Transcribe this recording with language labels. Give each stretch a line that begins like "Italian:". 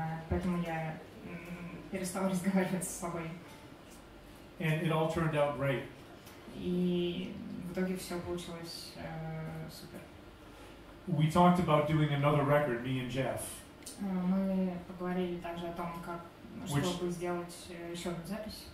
Russian: Поэтому я перестал разговаривать с собой.
English: And it all turned out great.
Russian: И в итоге все получилось супер.
English: We talked about doing another record, me and Jeff.
Russian: Мы поговорили также о том, как чтобы сделать еще одну запись.